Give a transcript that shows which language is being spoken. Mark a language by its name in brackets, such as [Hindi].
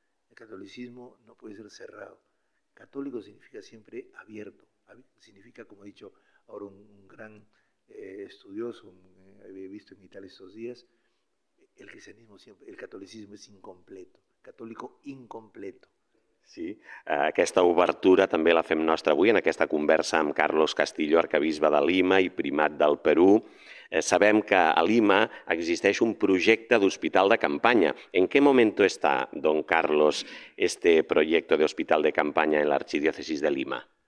[Spanish] El catolicismo no puede ser cerrado. Católico significa siempre abierto. Significa, como he dicho ahora un gran estudioso, he visto en Italia estos días, el cristianismo siempre, el catolicismo es incompleto, católico incompleto. [Catalan] Sí, aquesta obertura també la fem nostra avui en aquesta conversa amb Carlos Castillo, arcabisbe de Lima i primat del Perú. Sabem que a Lima existeix un projecte d'hospital de campanya. [Spanish] ¿En qué momento está, don Carlos, este proyecto de hospital de campaña en la archidiócesis de Lima?